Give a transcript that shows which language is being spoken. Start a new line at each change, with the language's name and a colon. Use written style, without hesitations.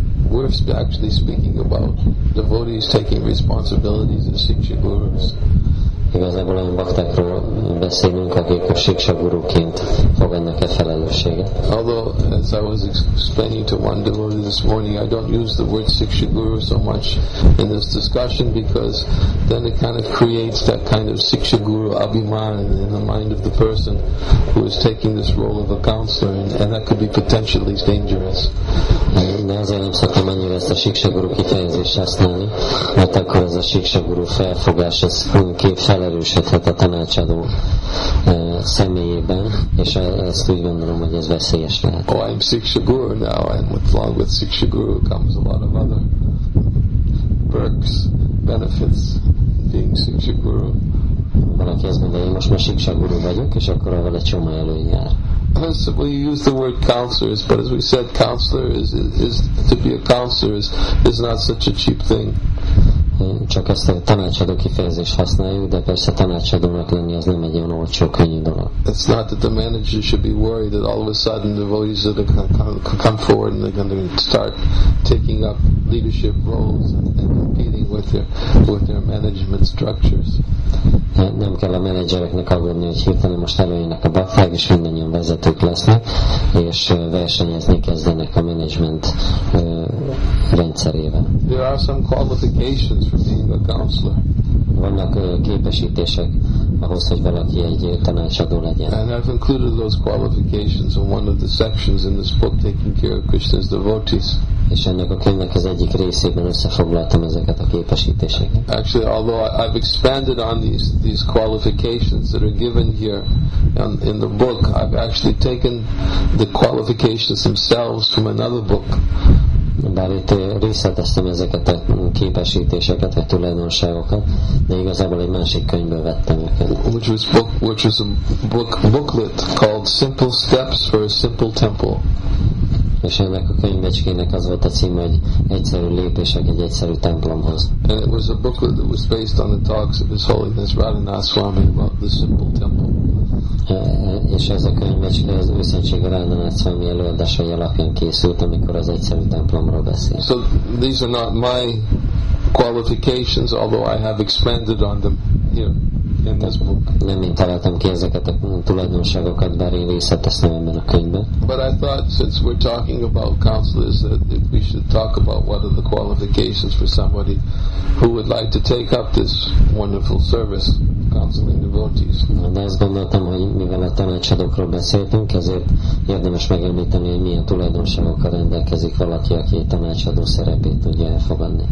English: We're actually speaking about devotees taking responsibilities as Siksha Gurus.
Hungarian: Igazából olyan baktákról beszélünk, akik a Siksha Guruként fogadnak-e felelősséget.
English: Although, as I was explaining to one devotee this morning, I don't use the word Siksha Guru so much in this discussion, because then it kind of creates that kind of Siksha Guru abhiman in the mind of the person who is taking this role of a counselor, and that could be potentially dangerous.
Hungarian: De azért nem szoktam annyira ezt a Siksha Guru kifejezést használni, mert akkor ez a Siksha Guru felfogás, ez önként felerősödhet a tanácsadó személyében, és ezt úgy gondolom, hogy ez veszélyes lehet.
English: Oh, I'm Siksha Guru now, and along with Siksha Guru comes a lot of other perks, benefits, being Siksha Guru.
Hungarian: Valaki azt mondja, hogy most már Siksha Guru vagyok, és akkor avval egy csomó előny jár.
English: So we use the word counselors, but as we said, counselor is to be a counselor is not such a cheap thing.
Hungarian: Csak ezt a tanácsadó kifejezést használjuk, de persze tanácsadónak lenni az nem egy olyan olcsó, könnyű dolog.
English: It's not that the manager should be worried that all of a sudden the devotees are going to come forward and they're going to start taking up leadership roles and competing with their management structures.
Hungarian: Nem kell a menedzsereknek aggódni, hogy hirtelen most előjönnek a bakták, és mindannyian vezetők lesznek, és versenyezni kezdenek a menedzsment rendszerével.
English: There are some qualifications for being a counselor.
Hungarian: Vannak képesítések ahhoz, hogy valaki egy tanácsadó legyen.
English: And I've included those qualifications in one of the sections in this book, Taking Care of Krishna's Devotees.
Hungarian: És ennek a könyvnek az egyik részében összefoglaltam ezeket a képesítéseket.
English: Actually, although I've expanded on these qualifications that are given here in the book, I've actually taken the qualifications themselves from another book.
Hungarian: Bár itt részleteztem ezeket a képesítéseket, vagy tulajdonságokat, de igazából egy másik könyvből vettem őket.
English: Which was a booklet called Simple Steps for a Simple Temple.
Hungarian: És ennek a könyvecskének az volt a címe, hogy egyszerű lépések egy egyszerű templomhoz.
English: And it was a booklet that was based on the talks of His Holiness Radhanathaswami about the simple temple.
Hungarian: És ez a könyvecske az őszentsége Radhanathaswami előadásai alapján készült, amikor az egyszerű templomról beszélt.
English: So these are not my qualifications, although I have expanded on them here.
Hungarian: Nem én találtam ki ezeket a tulajdonságokat, bár én részleteztem ebben a könyvben.
English: But I thought, since we're talking about counselors, that we should talk about what are the qualifications for somebody who would like to take up this wonderful service, counseling devotees.
Hungarian: De azt gondoltam, hogy mivel a tanácsadókról beszéltünk, ezért érdemes megemlíteni, hogy milyen tulajdonságokkal rendelkezik valaki, aki egy tanácsadó szerepét tudja elfogadni.